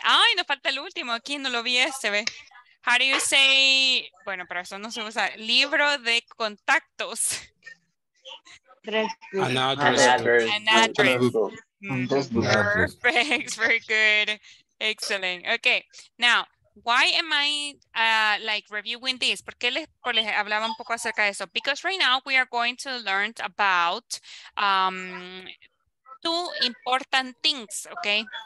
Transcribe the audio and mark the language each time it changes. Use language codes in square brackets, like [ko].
[es] Ay, no falta el último. Aquí no lo vi este, ve. [en] How do you say, [es] bueno, para eso no se usa, libro de contactos. [en] An address. Perfect, very good, excellent. Okay, now, why am I like reviewing this? [es] ¿Por qué les hablaba un poco acerca de eso? [en] Because right now we are going to learn about two important things, okay?